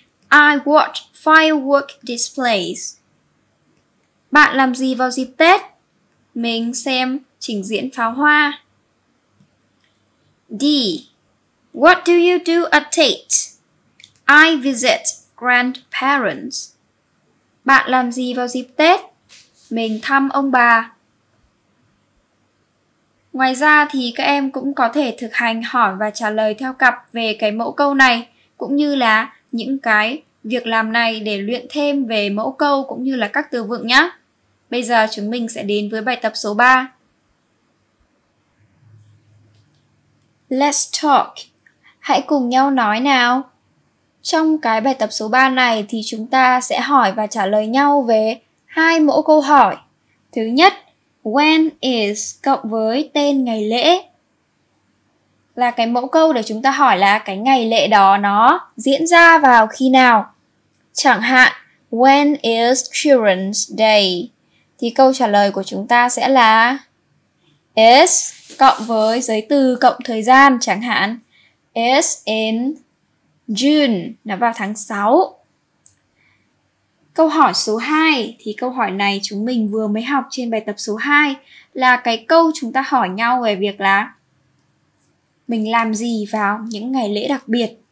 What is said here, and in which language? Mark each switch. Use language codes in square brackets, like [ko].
[en] I watch firework displays. [vi] Bạn làm gì vào dịp Tết? Mình xem trình diễn pháo hoa. D. [en] What do you do at Tết? I visit grandparents. [vi] Bạn làm gì vào dịp Tết? Mình thăm ông bà. Ngoài ra thì các em cũng có thể thực hành hỏi và trả lời theo cặp về cái mẫu câu này, cũng như là những cái việc làm này để luyện thêm về mẫu câu cũng như là các từ vựng nhé. Bây giờ chúng mình sẽ đến với bài tập số 3. [en] Let's talk. [vi] Hãy cùng nhau nói nào. Trong cái bài tập số 3 này thì chúng ta sẽ hỏi và trả lời nhau về hai mẫu câu hỏi. Thứ nhất, when is cộng với tên ngày lễ. Là cái mẫu câu để chúng ta hỏi là cái ngày lễ đó nó diễn ra vào khi nào. Chẳng hạn, [en] when is Children's Day? [vi] Thì câu trả lời của chúng ta sẽ là is cộng với giới từ cộng thời gian. Chẳng hạn, [en] is in June, [vi] nó vào tháng 6. Câu hỏi số 2, thì câu hỏi này chúng mình vừa mới học trên bài tập số 2, là cái câu chúng ta hỏi nhau về việc là mình làm gì vào những ngày lễ đặc biệt.